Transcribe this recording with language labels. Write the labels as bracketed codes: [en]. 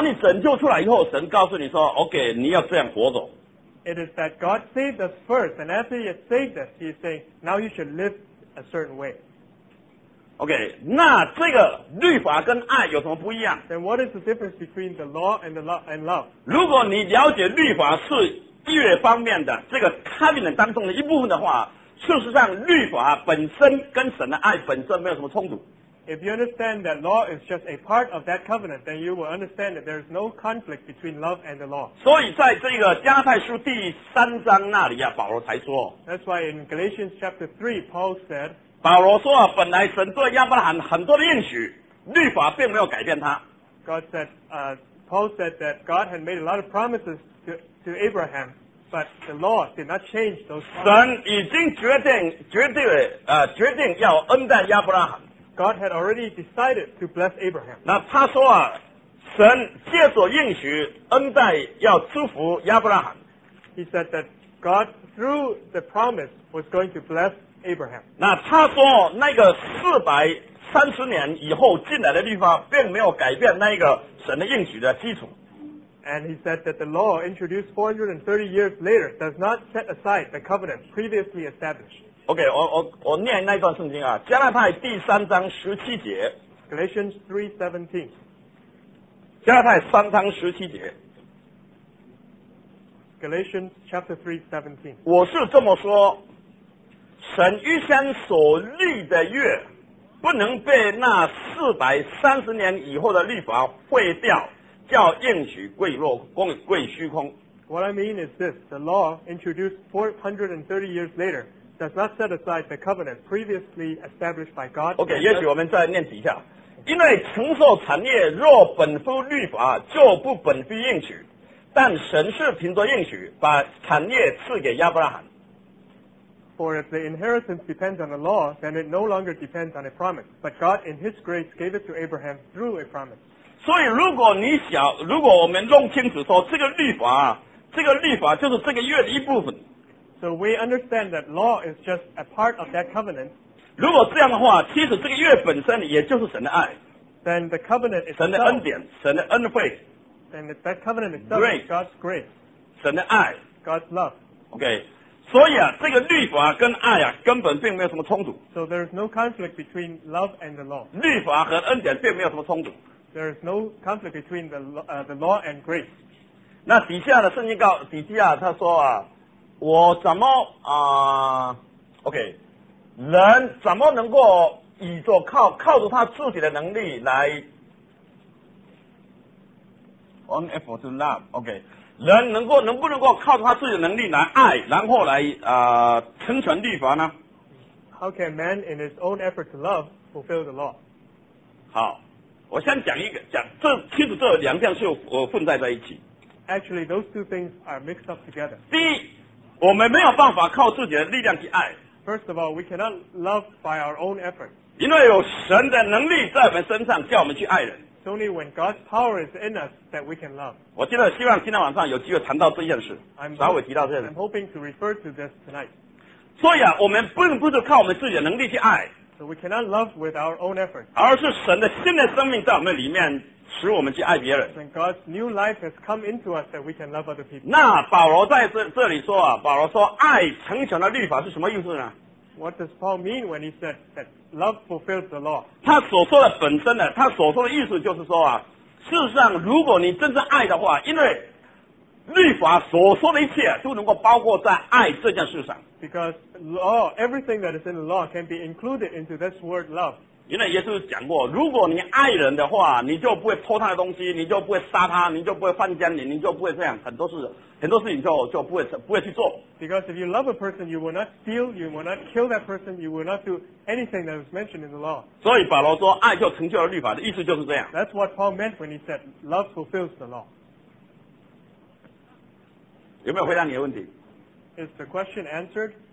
[zh] 而是神先拯救了我们，神先拯救了以色列人，把你拯救出来以后，神告诉你说 ：“OK， 你要这样活走。” [en] It is that God saved us first, and after He saved us, He is saying, "Now you should live a certain way." [zh] OK， 那这个律法跟爱有什么不一样 [en] ？Then what is the difference between the law and the law and love? [zh] 如果你了解律法是一方面的这个 covenant 当中的一部分的话。事实上，律法本身跟神的爱本身没有什么冲突。 [en] If you understand that law is just a part of that covenant, then you will understand that there is no conflict between love and the law. [zh] 所以，在这个加太书第三章那里啊，保罗才说。 [en] That's why in Galatians chapter 3, Paul said. [zh] 保罗说啊，本来神对亚伯拉罕很多的应许，律法并没有改变他。 [en] God said, Paul said that God had made a lot of promises to Abraham, but the law did not change those promises. [zh] 神已经决定要恩待亚伯拉罕。 [en] God had already decided to bless Abraham. [zh] 那他说啊，神借着应许恩待要祝福亚伯拉罕。 [en] He said that God, through the promise, was going to bless Abraham. [zh] 那他说那个430年以后进来的律法并没有改变那个神的应许的基础。 [en] And he said that the law introduced 430 years later does not set aside the covenant previously established. [zh] Okay, 我念那段圣经啊，加拉太第三章十七节。 [en] Galatians 3:17. [zh] 加拉太三章十七节。 [en] Galatians chapter 3:17. [zh] 我是这么说，神预先所立的约不能被那430年以后的律法毁掉，叫应许归虚空。 [en] What I mean is this: the law introduced 430 years later does not set aside the covenant previously established by God. [zh] Okay, 也许我们再念几下，因为承受产业若本乎律法，就不本乎应许。但神是凭着应许把产业赐给亚伯拉罕。 [en] For if the inheritance depends on the law, then it no longer depends on a promise. But God, in His grace, gave it to Abraham through a promise. [zh] 所以，如果你想，如果我们弄清楚说这个律法，这个律法就是这个约的一部分。 [en] So we understand that law is just a part of that covenant. [zh] 如果这样的话，其实这个约本身也就是神的爱。 [en] Then the covenant is [zh] 神的恩典，神的恩惠。 [en] And that covenant itself is God's grace. [zh] 神的爱 [en] ，God's love. Okay. [zh] 所以啊，这个律法跟爱啊，根本并没有什么冲突。 [en] So there is no conflict between love and the law. [zh] 律法和恩典并没有什么冲突。 [en] There is no conflict between the law and grace. [zh] 那底下的圣经告底下他说啊，我怎么啊、？Okay. 人怎么能够倚着靠着他自己的能力来？ [en] On effort to love, okay. [zh] 人能不能够靠着他自己的能力来爱，然后来成全律法呢 [en] ？How can man in his own effort to love fulfill the law? [zh] 好，我先讲一个讲这其实这两项是混在一起。 [en] Actually, those two things are mixed up together. [zh] 第一，我们没有办法靠自己的力量去爱。 [en] First of all, we cannot love by our own effort. [zh] 因为有神的能力在我们身上，叫我们去爱人。 [en] It's only when God's power is in us that we can love. [zh] 我记得希望今天晚上有机会谈到这件事，稍微提到这件事。 [en] I'm hoping to refer to this tonight. [zh] 所以啊，我们不是靠我们自己的能力去爱。 [en] So we cannot love with our own effort. [zh] 而是神的新的生命在我们里面，使我们去爱别人。 [en] And God's new life has come into us that we can love other people. [zh] 那保罗在这里说啊，保罗说爱成全了律法是什么意思呢？ [en] What does Paul mean when he said that love fulfills the law? [zh] 他所说的本身呢，他所说的意思就是说啊，事实上，如果你真正爱的话，因为律法所说的一切都能够包括在爱这件事上。 [en] Because law, everything that is in the law can be included into this word love. [zh] 因为耶稣讲过，如果你爱人的话，你就不会偷他的东西，你就不会杀他，你就不会犯奸淫，你就不会这样，很多事情就不会去做。 [en] Because if you love a person, you will not steal, you will not kill that person, you will not do anything that is mentioned in the law. [zh] 所以保罗说爱就成就了律法的意思就是这样。 [en] That's what Paul meant when he said love fulfills the law. [zh] 有没有回答你的问题？ [en] Is the question answered?